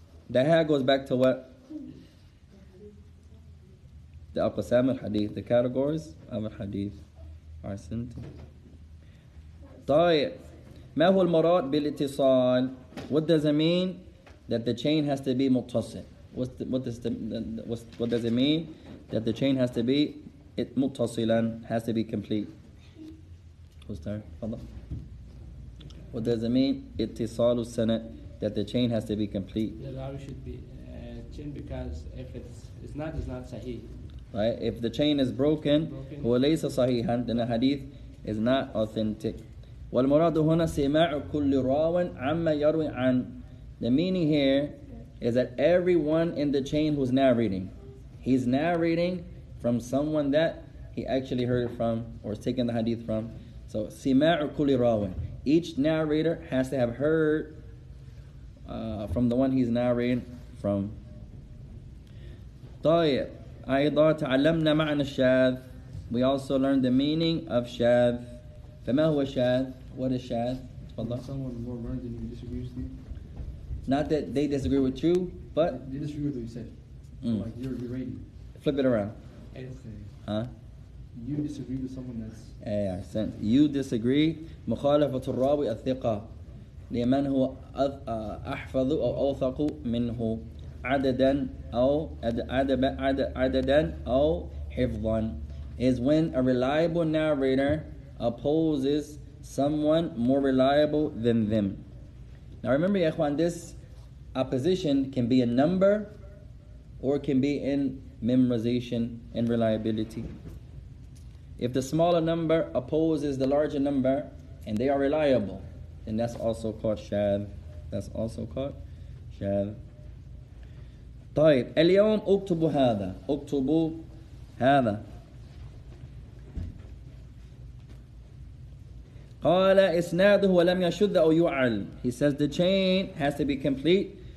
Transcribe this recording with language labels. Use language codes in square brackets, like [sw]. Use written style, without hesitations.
[en] ذها goes back to what? The أقسام الحديث. The categories of الحديث. I sent it. طيب. [ar] ما هو المراد بالاتصال؟ [en] What does it mean? That the chain has to be متصل. What does it mean? That the chain has to be it متصلا, has to be complete. Who's there? Father. What does it mean? [ar] اتصال السنة. [en] That the chain has to be complete. The rawi should be chain, because if it's not sahih. Right. If the chain is broken, [ar] هو ليس صحيحا, [en] then the hadith is not authentic. [ar] والمراد هنا سماع كل راو عما يروي عن. [en] The meaning here is that everyone in the chain who's narrating, he's narrating from someone that he actually heard from or is taking the hadith from. So, sima'u kulli rawin. Each narrator has to have heard from the one he's narrating from. [ar] طيب, أيضا تعلمنا معنى الشاذ. [en] We also learned the meaning of شاذ. [ar] فما هو شاذ? [en] What is شاذ? [ar] تفضل. [en] Someone more learned than you disagrees with you. Not that they disagree with you, but... They disagree with what you said. Mm. Like, you're berating. Flip it around. Okay. Huh? You disagree with someone that's... Yeah, I said. You disagree. [ar] مخالفة الراوي الثقة لمن هو أحفظ أو أوثق منه عدداً أو عدداً أو حفظاً [en] is when a reliable narrator opposes someone more reliable than them. Now remember, [ar] يا إخوان, [en] this opposition can be a number or can be in memorization and reliability. If the smaller number opposes the larger number and they are reliable, then that's also called شاذ. That's also called شاذ. طيب, [ar] اليوم أكتب هذا. أكتب هذا. قال إسناده ولم يشذ أو يعل. [en] He says the chain has to be complete.